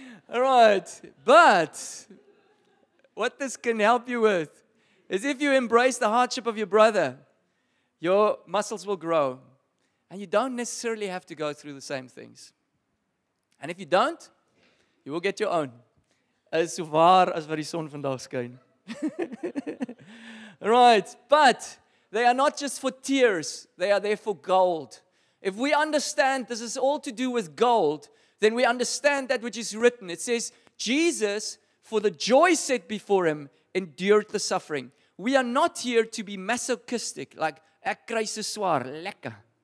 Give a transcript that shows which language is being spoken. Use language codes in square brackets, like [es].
[en] All right, but what this can help you with is if you embrace the hardship of your brother, your muscles will grow, and you don't necessarily have to go through the same things. And if you don't, you will get your own. [af] As waar as wat die son vandag skyn. [en] Right, but they are not just for tears. They are there for gold. If we understand this is all to do with gold, then we understand that which is written. It says, Jesus, for the joy set before him, endured the suffering. We are not here to be masochistic, like a crisisoir, lekker.